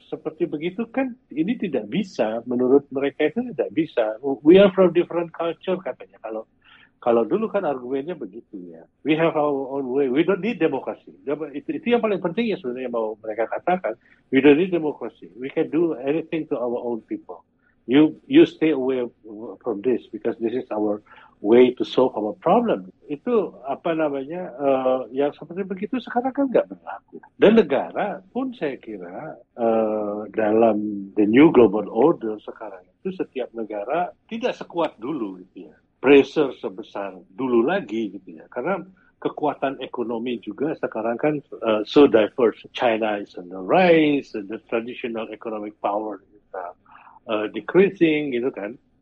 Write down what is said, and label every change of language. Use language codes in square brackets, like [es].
[id] Seperti begitu kan ini tidak bisa, menurut mereka itu tidak bisa. [en] We are from different culture [id] katanya. Kalau dulu kan argumennya begitu ya. [en] We have our own way. We don't need demokrasi. [id] Itu yang paling penting ya sebenarnya mau mereka katakan. [en] We don't need demokrasi. We can do anything to our own people. You stay away from this because this is our way to solve our problem. [id] Itu apa namanya yang seperti begitu sekarang kan nggak berlaku. Dan negara pun saya kira dalam [en] the new global order [id] sekarang itu setiap negara tidak sekuat dulu gitu ya. Pressure sebesar dulu lagi gitu ya. Karena kekuatan ekonomi juga sekarang kan [en] so diverse. China is on the rise, and the traditional economic power is decreasing [id] gitu kan.